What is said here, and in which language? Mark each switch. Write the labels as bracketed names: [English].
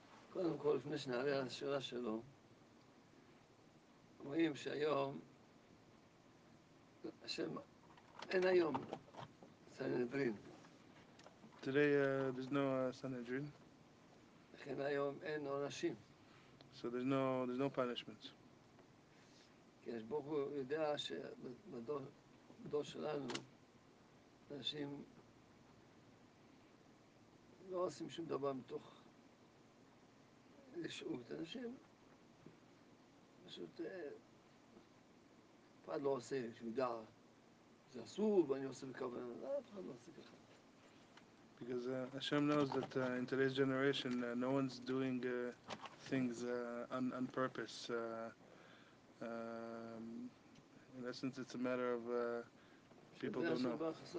[Hebrew] קודם כל, לפני שנעלה על השאלה שלו, רואים שהיום, השם, אין היום סנהדרין. [English] Today there's no סנהדרין. [Hebrew] לכן היום אין עונשים. [English] So there's no punishments. [Hebrew] כי יש ברוך הוא יודע שבדור שלנו, אנשים לא עושים שום דבר מתוך רשעות. אנשים פשוט, אף אחד לא עושה שמידע, זה אסור ואני עושה בכוונה, אף אחד לא עושה ככה. [English] Because Hashem knows that in today's generation, no one's doing things on purpose. In essence, it's a matter of people don't know.